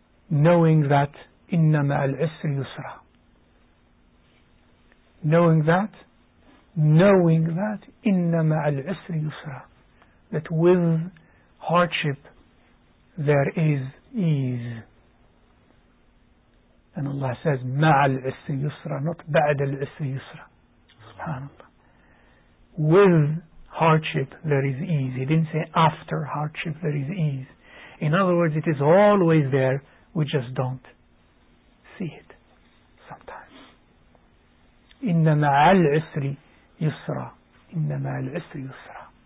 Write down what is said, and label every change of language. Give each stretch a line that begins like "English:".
English: Knowing that
Arabic: innama al-usri yusra.
English: Knowing that
Arabic: innama al-usri yusra.
English: That with hardship there is ease. And Allah says,
Arabic: مَعَ الْعِسْرِ يُسْرَ,
English: not
Arabic: بَعْدَ الْعِسْرِ يُسْرَ. SubhanAllah.
English: With hardship there is ease. He didn't say after hardship there is ease. In other words, it is always there, we just don't see it sometimes.
Arabic: إِنَّ مَعَ الْعِسْرِ يُسْرَ. إِنَّ مَعَ الْعِسْرِ يُسْرَ.